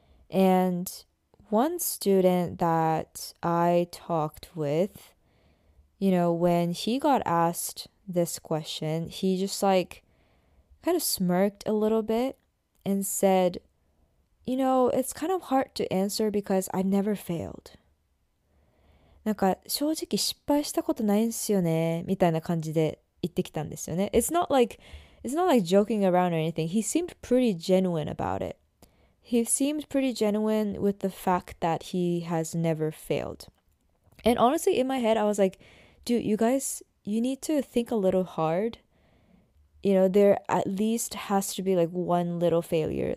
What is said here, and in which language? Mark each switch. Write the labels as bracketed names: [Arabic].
[English] And one student that I talked with, you know, when he got asked this question, he just like kind of smirked a little bit and said, you know, it's kind of hard to answer because I've never failed. [Japanese] なんか正直失敗したことないんすよねみたいな感じで言ってきたんですよね。 [English] It's not like joking around or anything. He seemed pretty genuine about it. He seemed pretty genuine with the fact that he has never failed. And honestly, in my head, I was like, dude, you need to think a little hard. You know, there at least has to be like one little failure.